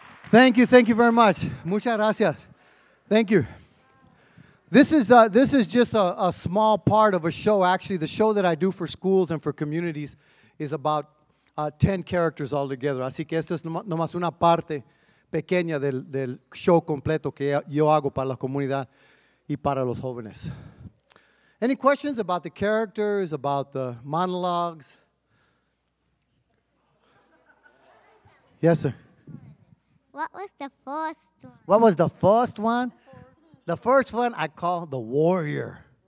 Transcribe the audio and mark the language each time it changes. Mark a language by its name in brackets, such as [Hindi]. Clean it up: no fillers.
[English] Thank you very much. [Spanish] Muchas gracias. [English] Thank you. This is just a small part of a show. Actually, the show that I do for schools and for communities is about 10 characters altogether. [Spanish] Así que esta es nomás una parte pequeña del show completo que yo hago para la comunidad y para los jóvenes. [English] Any questions about the characters, about the monologues? Yes, sir. What was the first one? The first one I call the warrior.